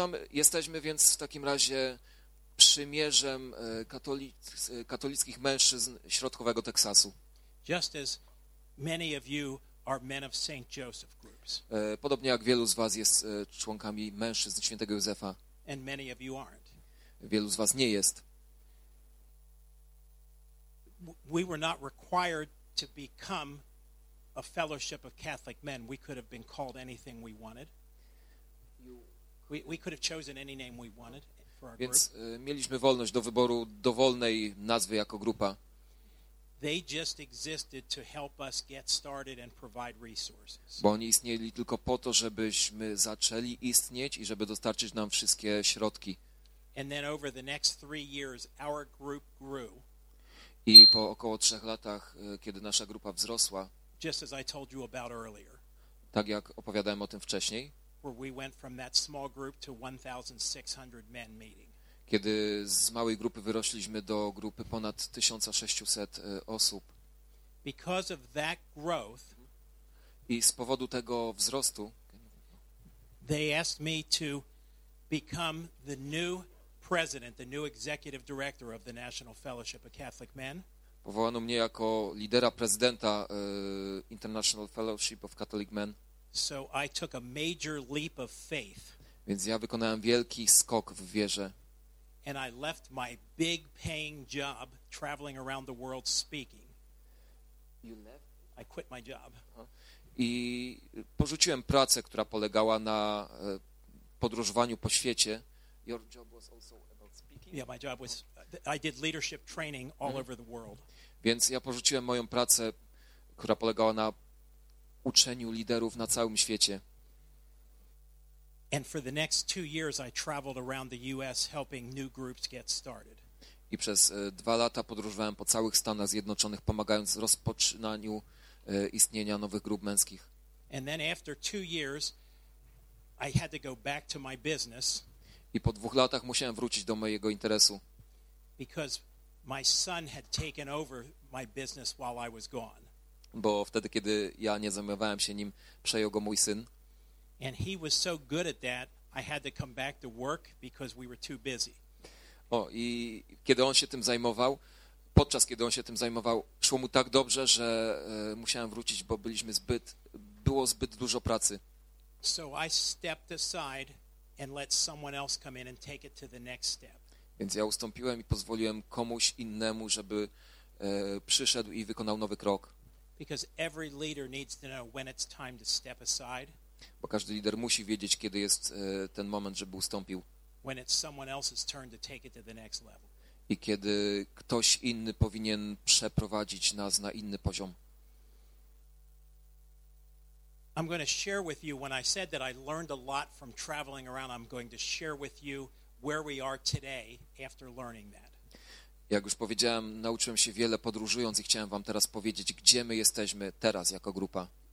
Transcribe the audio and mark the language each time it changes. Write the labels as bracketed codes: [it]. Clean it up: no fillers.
[pl] Jesteśmy więc w takim razie przymierzem katolickich mężczyzn środkowego Teksasu. [en] Just as many of you are men of St. Joseph groups. [pl] Podobnie jak wielu z was jest członkami mężczyzn Świętego Józefa. [en] And many of you aren't. [pl] Wielu z was nie jest. [en] We were not required to become a fellowship of Catholic men, we could have been called anything we wanted. We could have chosen any name we wanted for our group. [pl] Więc mieliśmy wolność do wyboru dowolnej nazwy jako grupa. [en] They just existed to help us get started and provide resources. [pl] Bo oni istnieli tylko po to, żebyśmy zaczęli istnieć i żeby dostarczyć nam wszystkie środki. [en] And then over the next 3 years, our group grew. [pl] I po około 3 latach, kiedy nasza grupa wzrosła, [en] just as I told you about earlier, [pl] tak jak opowiadałem o tym wcześniej, [en] where we went from that small group to 1,600 men meeting. [pl] Kiedy z małej grupy wyrośliśmy do grupy ponad 1600 osób. [en] Because of that growth, [pl] i z powodu tego wzrostu, [en] they asked me to become the new president, the new executive director of the National Fellowship of Catholic Men. [pl] Powołano mnie jako lidera prezydenta International Fellowship of Catholic Men. [en] So I took a major leap of faith. [pl] Więc ja wykonałem wielki skok w wierze. [en] And I left my big paying job traveling around the world speaking. You left? I quit my job. [pl] I porzuciłem pracę, która polegała na podróżowaniu po świecie. [en] Your job was also about speaking? Yeah, my job was, I did leadership training all over the world. [pl] Więc ja porzuciłem moją pracę, która polegała na uczeniu liderów na całym świecie. [en] And for the next 2 years I traveled around the US helping new groups get started. [pl] I przez 2 lata podróżowałem po całych Stanach Zjednoczonych, pomagając w rozpoczynaniu istnienia nowych grup męskich. [en] And then after 2 years I had to go back to my business. [pl] I po 2 latach musiałem wrócić do mojego interesu. [en] Because my son had taken over my business while I was gone. [pl] Bo wtedy, kiedy ja nie zajmowałem się nim, przejął go mój syn. [en] And he was so good at that, I had to come back to work because we were too busy. [pl] O, i kiedy on się tym zajmował, podczas kiedy on się tym zajmował, szło mu tak dobrze, że musiałem wrócić, bo byliśmy zbyt, było zbyt dużo pracy. [en] So I stepped aside and let someone else come in and take it to the next step. [pl] Więc ja ustąpiłem i pozwoliłem komuś innemu, żeby przyszedł i wykonał nowy krok. [en] Because every leader needs to know when it's time to step aside. [pl] Bo każdy lider musi wiedzieć, kiedy jest ten moment, żeby ustąpił. [en] When it's someone else's turn to take it to the next level. [pl] I kiedy ktoś inny powinien przeprowadzić nas na inny poziom. [en] I'm going to share with you, when I said that I learned a lot from traveling around, I'm going to share with you where we are today after learning that. [pl] Jak już powiedziałem, nauczyłem się wiele podróżując i chciałem wam teraz powiedzieć, gdzie my jesteśmy teraz jako grupa.